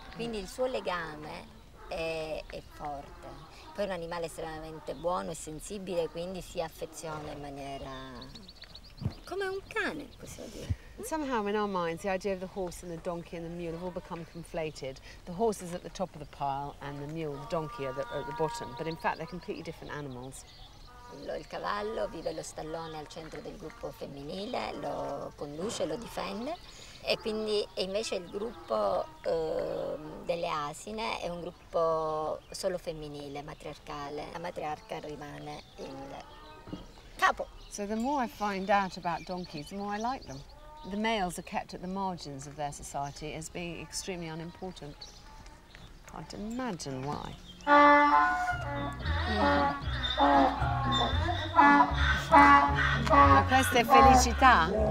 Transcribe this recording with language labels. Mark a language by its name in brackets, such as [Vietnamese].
[Italian] Quindi il suo legame è forte. Poi è un animale estremamente buono e sensibile, quindi si affeziona in maniera come un cane, possiamo dire. [English] And somehow in our minds the idea of the horse and the donkey and the mule have all become conflated. The horse is at the top of the pile and the mule, the donkey, are at the bottom. But in fact they're completely different animals. [Italian] il cavallo, vive lo stallone al centro del gruppo femminile, lo conduce, lo difende. E quindi e invece il gruppo delle asine è un gruppo solo femminile, matriarcale. La matriarca rimane il capo. [English] So the more I find out about donkeys, the more I like them. The males are kept at the margins of their society as being extremely unimportant. Can't imagine why. [Italian] Ma questa è felicità?